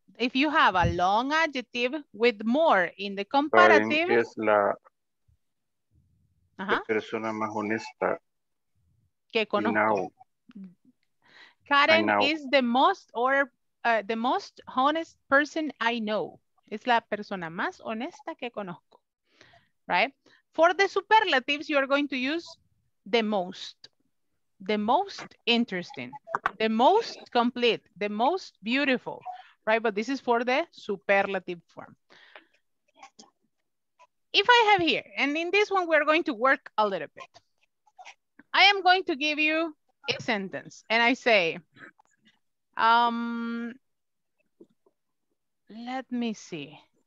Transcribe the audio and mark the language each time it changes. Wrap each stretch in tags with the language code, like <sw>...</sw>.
<en>If you have a long adjective with more in the comparative.</en> <es>Es la persona más honesta. Que conozco.</es> <en>Now. Karen is the most honest person I know.</en> <es>Es la persona más honesta que conozco, right?</es> <en>For the superlatives, you are going to use the most interesting, the most complete, the most beautiful, right? But this is for the superlative form. If I have here, and in this one, we're going to work a little bit. I am going to give you a sentence and I say, let me see.</en>